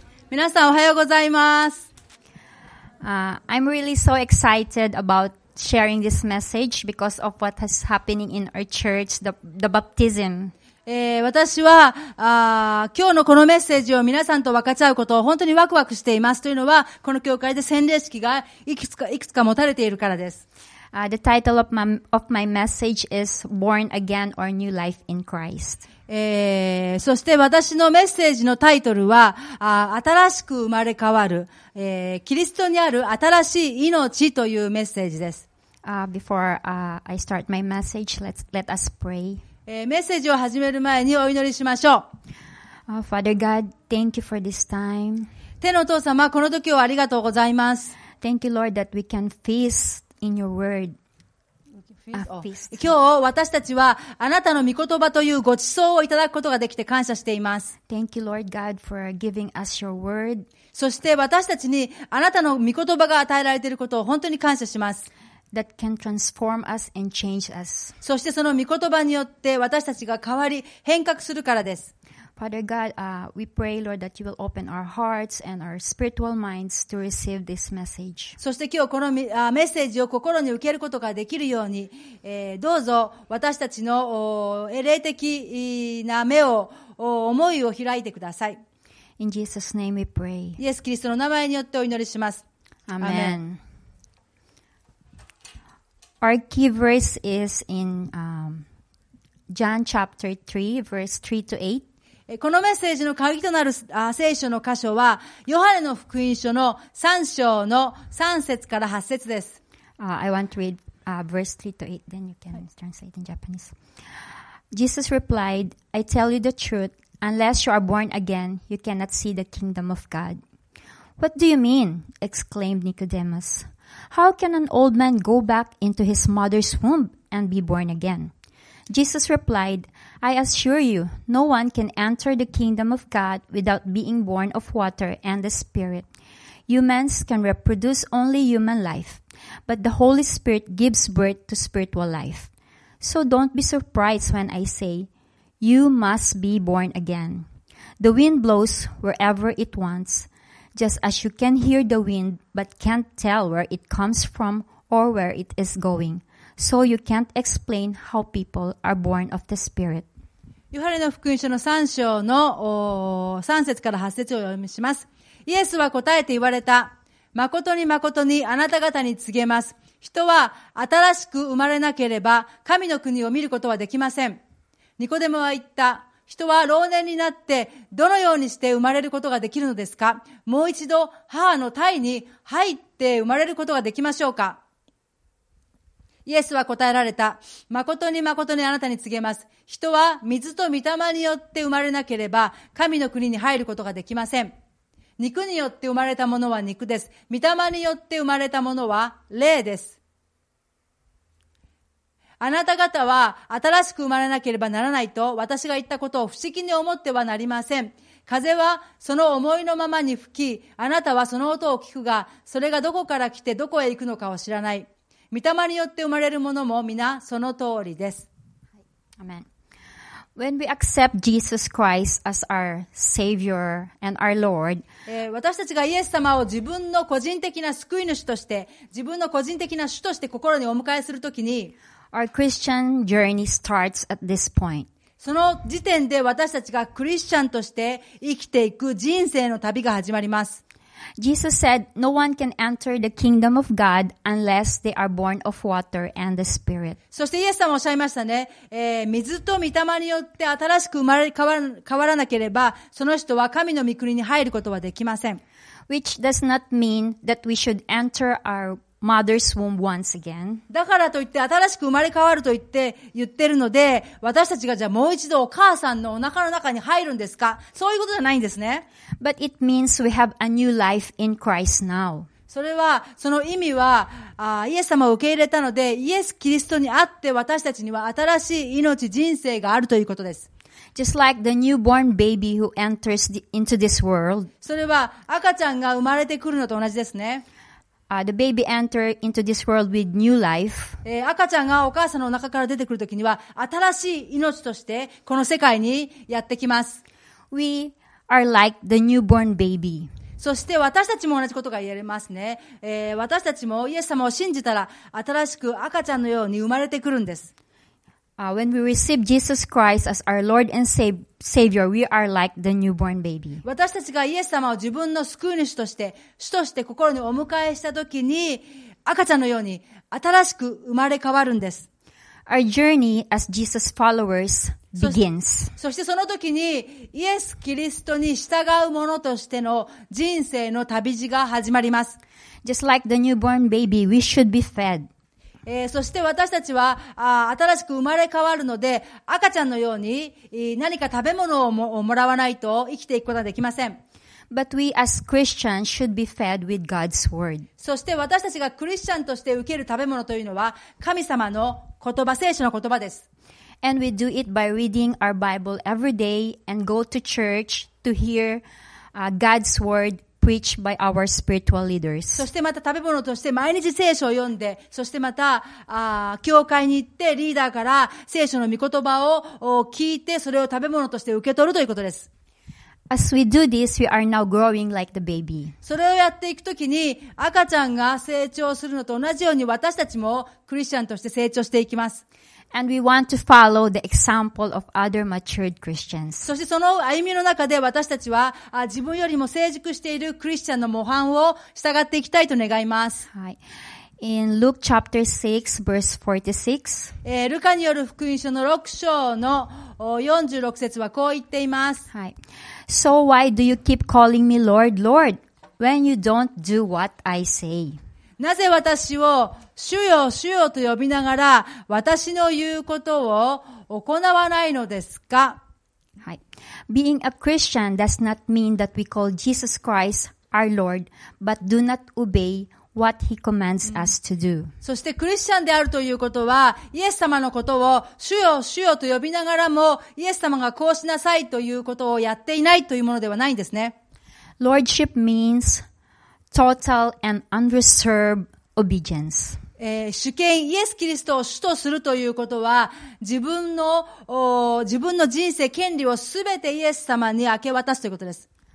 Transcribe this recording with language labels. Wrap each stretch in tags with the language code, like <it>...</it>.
<ja>皆さんおはようございます。</ja> <en>I'm really so excited about sharing this message because of what is happening in our church, the baptism.</en> <ja>私は今日のこのメッセージを皆さんと分かち合うことを本当にワクワクしていますというのはこの教会で洗礼式がいくつか持たれているからです。</ja> <en>The title of my message is Born Again or New Life in Christ.</en> <ja>そして私のメッセージのタイトルは新しく生まれ変わる、キリストにある新しい命というメッセージです。</ja> <en>Before I start my message, let us pray.</en> <ja>メッセージを始める前にお祈りしましょう。</ja> <en>Father God, thank you for this time.</en> <ja>天のお父様、この時をありがとうございます。</ja> <en>Thank you, Lord, that we can feast in your word. Feast.</en> <ja>今日私たちはあなたの御言葉というご馳走をいただくことができて感謝しています。</ja> <en>Thank you, Lord God, for giving us your word.</en> <ja>そして私たちにあなたの御言葉が与えられていることを本当に感謝します。</ja> <en>That can transform us and change us.</en> <ja>そしてその御言葉によって私たちが変わり変革するからです。</ja> <en>Father God, we pray, Lord, that you will open our hearts and our spiritual minds to receive this message.</en> <ja>そして今日このメッセージを心に受けることができるように、どうぞ私たちの霊的な目を思いを開いてください。</ja> <en>In Jesus' name we pray.</en> <ja>イエス・キリストの名前によってお祈りします。</ja> <en>Amen. Our key verse is in John chapter 3, verse 3 to 8. このメッセージの鍵となる聖書の箇所は、ヨハネの福音書の3章の3節から8節です。 I want to read verse 3 to 8, then you can translate in Japanese. Jesus replied, I tell you the truth, unless you are born again, you cannot see the kingdom of God. What do you mean? Exclaimed Nicodemus. How can an old man go back into his mother's womb and be born again? Jesus replied, I assure you, no one can enter the kingdom of God without being born of water and the Spirit. Humans can reproduce only human life, but the Holy Spirit gives birth to spiritual life. So don't be surprised when I say, you must be born again. The wind blows wherever it wants. Just as you can hear the wind, but can't tell where it comes from or where it is going. So you can't explain how people are born of the Spirit.</en> <ja>ヨハネの福音書の3章の3節から8節を読みします。イエスは答えて言われた。誠に誠にあなた方に告げます。人は新しく生まれなければ神の国を見ることはできません。ニコデモは言った。人は老年になってどのようにして生まれることができるのですか？もう一度母の胎に入って生まれることができましょうか？イエスは答えられた。誠に誠にあなたに告げます。人は水と御霊によって生まれなければ神の国に入ることができません。肉によって生まれたものは肉です。御霊によって生まれたものは霊です。あなた方は新しく生まれなければならないと私が言ったことを不思議に思ってはなりません。風はその思いのままに吹き、あなたはその音を聞くが、それがどこから来てどこへ行くのかを知らない。御霊によって生まれるものも皆その通りです。アメン。</ja> <en>When we accept Jesus Christ as our Savior and our Lord,</en> <ja>私たちがイエス様を自分の個人的な救い主として、自分の個人的な主として心にお迎えするときに、</ja> <en>our Christian journey starts at this point.</en> <ja>その時点で私たちがクリスチャンとして生きていく人生の旅が始まります。</ja> <en>Jesus said, "No one can enter the kingdom of God unless they are born of water and the Spirit."</en> <ja>そしてイエス様おっしゃいましたね、水と御霊によって新しく生まれ変わらなければ、その人は神の御国に入ることはできません。</ja> <en>Which does not mean that we should enter our mother's womb once again.</en> <ja>だからといって新しく生まれ変わると言ってるので、私たちがじゃあもう一度お母さんのお腹の中に入るんですか？そういうことじゃないんですね。</ja> <en>But it means we have a new life in Christ now.</en> <ja>それはその意味はイエス様を受け入れたので、イエスキリストにあって私たちには新しい命人生があるということです。</ja> <en>Just like the newborn baby who enters into this world.</en> <ja>それは赤ちゃんが生まれてくるのと同じですね。</ja> <en>The baby enter into this world with new life.</en> <ja>赤ちゃんがお母さんのお腹から出てくるときには新しい命としてこの世界にやってきます。</ja> <en>We are like the newborn baby.</en> <ja>そして私たちも同じことが言えますね。私たちもイエス様を信じたら新しく赤ちゃんのように生まれてくるんです。</ja> <en>When we receive Jesus Christ as our Lord and Savior, we are like the newborn baby.</en> <ja>私たちがイエス様を自分の救い主として、主として心にお迎えしたときに、赤ちゃんのように新しく生まれ変わるんです。</ja> <en>Our journey as Jesus followers begins.</en> <ja>そしてその時に、イエス・キリストに従う者としての人生の旅路が始まります。</ja> <en>Just like the newborn baby, we should be fed.</en> <ja>そして私たちは新しく生まれ変わるので赤ちゃんのように何か食べ物を もらわないと生きていくことはできません。</ja> <en>But we as Christians should be fed with God's word.</en> <ja>そして私たちがクリスチャンとして受ける食べ物というのは神様の言葉、聖書の言葉です。</ja> <en>And we do it by reading our Bible every day and go to church to hear God's word. Preached by our spiritual leaders.</en> <ja>そしてまた食べ物として毎日聖書を読んで、そしてまた教会に行ってリーダーから聖書の御言葉を聞いて、それを食べ物として受け取るということです。</ja> <en>As we do this, we are now growing like the baby.</en> <ja>それをやっていくときに、赤ちゃんが成長するのと同じように私たちもクリスチャンとして成長していきます。</ja> <en>And we want to follow the example of other matured Christians.</en> <ja>そしてその歩みの中で私たちは自分よりも成熟しているクリスチャンの模範を従っていきたいと願います。はい。</ja> <en>In Luke chapter 6, verse 46.</en> <ja>ルカによる福音書の6章の46節はこう言っています。はい。</ja> <en>So why do you keep calling me Lord, Lord, when you don't do what I say?</en> <ja>なぜ私を主よ主よと呼びながら私の言うことを行わないのですか？はい。</ja> <en>Being a Christian does not mean that we call Jesus Christ our Lord, but do not obey what he commands us to do.</en> <ja>そしてクリスチャンであるということは、イエス様のことを主よ主よと呼びながらも、イエス様がこうしなさいということをやっていないというものではないんですね。</ja> <en>Lordship means total and unreserved obedience.</en> <ja>主権、イエス・キリストを主とするということは、自分の人生、権利をすべてイエス様に明け渡すということです。</ja>